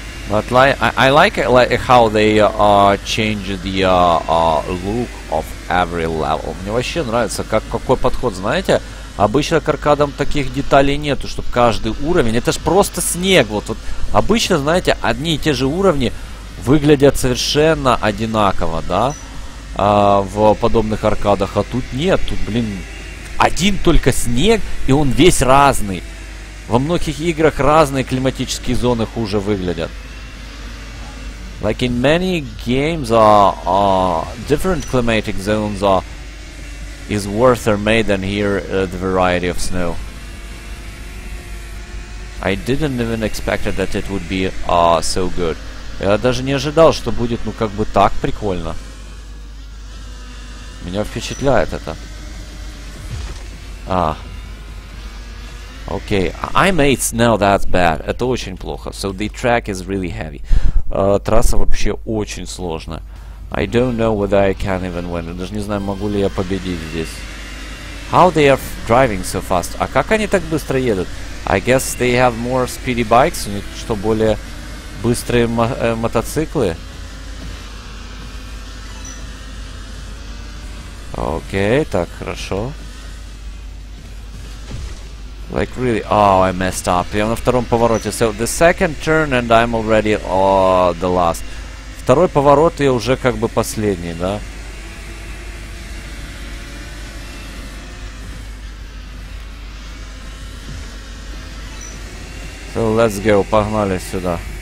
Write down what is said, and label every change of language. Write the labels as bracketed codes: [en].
[en] But like, I like how they change the look of every level. [ru] Мне вообще нравится, какой подход, знаете? Обычно к аркадам таких деталей нету, чтобы каждый уровень... Это ж просто снег, вот. Обычно, знаете, одни и те же уровни выглядят совершенно одинаково, да? В подобных аркадах. А тут нет, тут, блин, один только снег, и он весь разный. Во многих играх разные климатические зоны хуже выглядят. [en] Like in many games, different climatic zones is worse or made than here the variety of snow. I didn't even expect that it would be so good. [ru] Я даже не ожидал, что будет, ну как бы так прикольно. Меня впечатляет это. А. Окей. [en] Okay. I made snow, that's bad. [ru] Это очень плохо. [en] So the track is really heavy. [ru] Трасса вообще очень сложная. [en] I don't know whether I can even win. [ru] Я даже не знаю, могу ли я победить здесь. [en] How they are driving so fast? [ru] А как они так быстро едут? [en] I guess they have more speedy bikes. [ru] У них что, более быстрые мотоциклы? Окей, так, хорошо. [en] Like really, oh, I messed up. [ru] Я на втором повороте. [en] So the second turn and I'm already the last. [ru] Второй поворот, я уже как бы последний, да? [en] So let's go, [ru] погнали сюда.